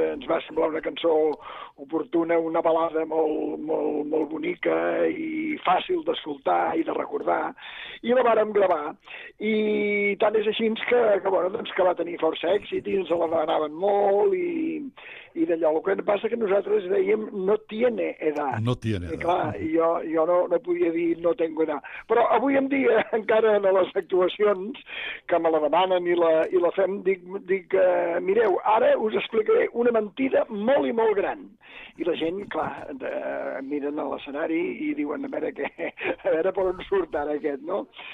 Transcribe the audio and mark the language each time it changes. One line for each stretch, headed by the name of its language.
Catalan: Ens va semblar una cançó oportuna, una balada molt, molt, molt bonica i fàcil d'escoltar i de recordar. I la vàrem gravar. I tant és així que, bueno, doncs que va tenir força èxit i ens la demanaven molt i d'allò. El que passa és que nosaltres dèiem
Spanish: no tiene edad. No tiene edad.
Catalan: I clar, jo no podia dir
Spanish: no tengo edad.
Catalan: Però avui en dia, encara en les actuacions que me la demanen i la fem, dic mireu, ara us explicaré una mentida molt i molt gran. I la gent, clar, miren a l'escenari i diuen a veure per on surt ara aquest, no?